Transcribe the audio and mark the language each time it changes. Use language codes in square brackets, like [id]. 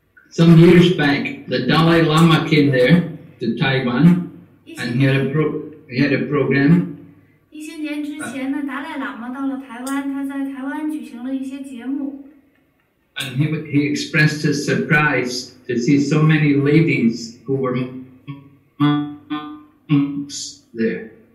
[en] Some years back, the Dalai Lama came there to Taiwan and he had a program. [zh] 一些年之前呢，达赖喇嘛到了台湾，他在台湾举行了一些节目。And [en] he expressed his surprise to see so many ladies who were monks there.